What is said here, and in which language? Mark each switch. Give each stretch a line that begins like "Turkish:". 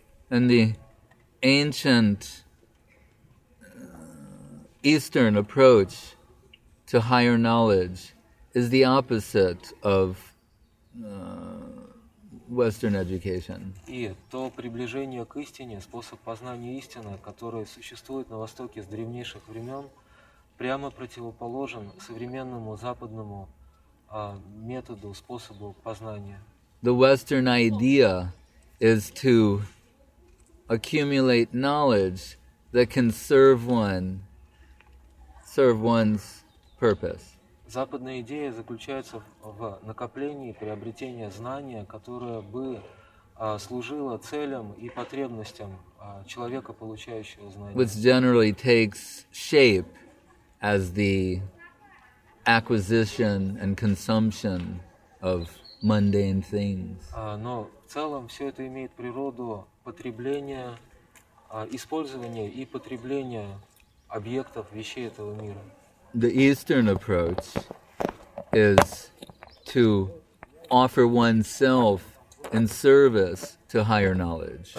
English: And the ancient Eastern approach to higher knowledge is the opposite of Western education.
Russian: И то приближение к истине, способ познания истины, который существует на Востоке с древнейших времен, прямо противоположен современному западному методу, способу познания.
English: The Western idea is to accumulate knowledge that can serve one's purpose.
Russian: Западная идея заключается в накоплении, приобретении знания, которое бы служило целям и потребностям человека, получающего знания.
English: Which generally takes shape as the acquisition and consumption of mundane things.
Russian: Но в целом все это имеет природу потребления, использования и потребления объектов, вещей этого мира.
English: The Eastern approach is to offer oneself in service to higher knowledge.